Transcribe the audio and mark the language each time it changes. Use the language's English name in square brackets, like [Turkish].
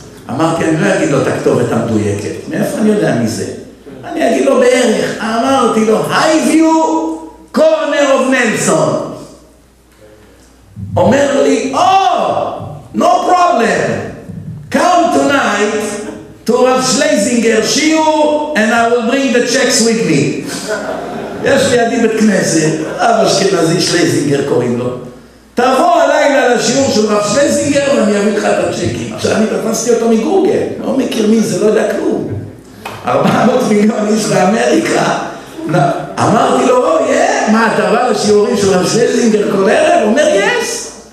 [Hebrew] אמרתי, אני לא אגיד לו את הכתובת המדויקת. מאיפה אני יודע מי זה? אני אגיד לו בערך. אמרתי לו, היי ויו, קורנר אוף נלסון. אומר לי, או, [English] no problem. Come tonight to Rav Schlesinger שיעור, and I will bring the checks with me. [Hebrew] יש לידי בית כנסת, רב אשכנזי שלזינגר קוראים לו. תבוא הלילה לשיעור של רב שלזינגר ואני אביא לך את הצ'קים. עכשיו אני תפסתי אותו מגוגל, לא מכיר מי זה, לא יודע כלום. 400 מיליון איש באמריקה. אמרתי לו, או, יאה, מה, אתה בא לשיעורים של רב שלזינגר כל ערב? הוא אומר, יש.